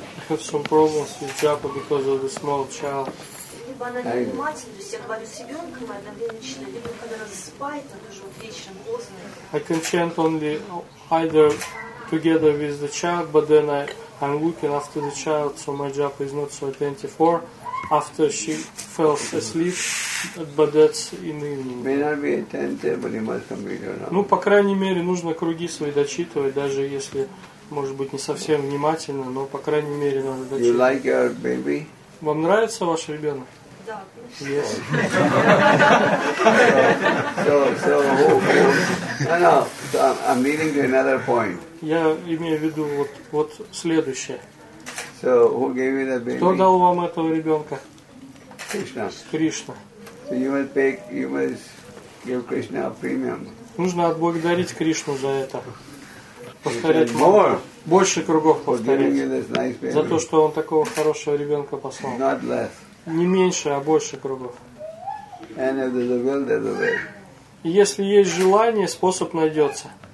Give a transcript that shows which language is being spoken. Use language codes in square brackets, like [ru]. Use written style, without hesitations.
[en] I have some problems with Japa because of the small child. [ru] чтобы она была внимательна, то есть я говорю с ребенком, и одновременно, либо когда она засыпает, она тоже вечером поздно. [en] I can chant only either together with the child, but then I'm looking after the child, so my job is not so attentive. Or after she fell asleep, but that's in the evening. May not be attentive, but you must come here now. [ru] Ну, по крайней мере, нужно круги свои дочитывать, даже если, может быть, не совсем внимательно, но по крайней мере надо дочитывать. [en] You like your baby? [ru] Вам нравится ваш ребенок? [en] Yes. So, I'm leading to another point. [ru] Я имею в виду вот следующее. [en] So, who gave you that baby? [ru] Кто дал вам этого ребенка? Кришна. Кришна. [en] So you must give Krishna a premium. [ru] Нужно отблагодарить Кришну за это. Повторять [en] more. [ru] Больше кругов повторять. [en] Giving you this nice baby. [ru] За то, что он такого хорошего ребенка послал. [en] Not less. [ru] Не меньше, а больше кругов. [en] And if there's a will, there's a way. [ru] Если есть желание, способ найдется.